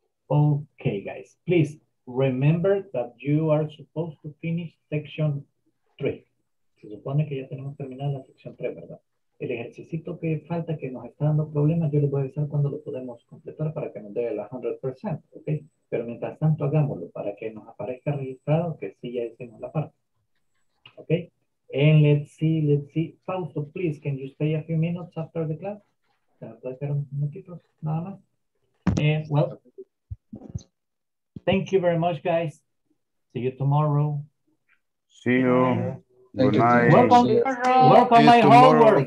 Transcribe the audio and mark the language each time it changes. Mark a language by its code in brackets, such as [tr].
[en] Okay, guys, please remember that you are supposed to finish section 3. [es] Se supone que ya tenemos terminada la sección 3, ¿verdad? El ejercicio que falta, que nos está dando problemas, yo les voy a avisar cuando lo podemos completar para que nos dé el 100%, ¿ok? Pero mientras tanto, hagámoslo para que nos aparezca registrado que sí ya hicimos la parte. [en] ¿Ok? And let's see. Fausto, please, can you stay a few minutes after the class? [es] ¿Se nos puede hacer un minutito? Nada más. [en] Well, thank you very much, guys. See you tomorrow. See you. Welcome, yes. Welcome, my tomorrow, homework,